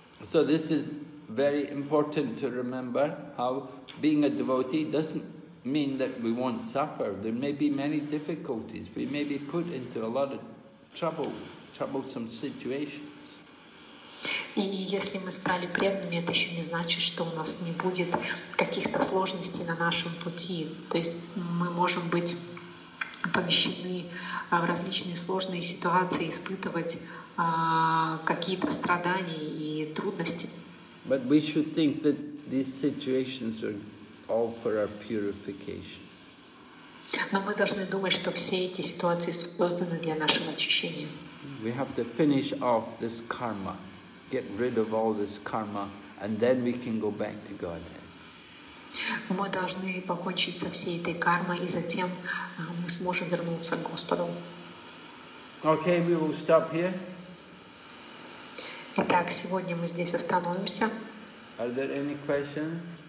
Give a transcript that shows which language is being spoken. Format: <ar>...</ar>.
<en>So this is very important to remember, how being a devotee doesn't mean that we won't suffer. There may be many difficulties. We may be put into a lot of troublesome situations.</en> <ru>И если мы стали преданными, это еще не значит, что у нас не будет каких-то сложностей на нашем пути. То есть мы можем быть помещены в различные сложные ситуации, испытывать какие-то страдания и трудности.</ru> <en>But we should think that these situations are all for our purification.</en> <ru>Но мы должны думать, что все эти ситуации созданы для нашего очищения.</ru> <en>We have to finish off this karma. Get rid of all this karma, and then we can go back to Godhead.</en> <ru>Мы должны покончить со всей этой кармой, и затем мы сможем вернуться к Господу.</ru> <en>Okay, we will stop here.</en> <ru>Итак, сегодня мы здесь остановимся.</ru> <en>Are there any questions?</en>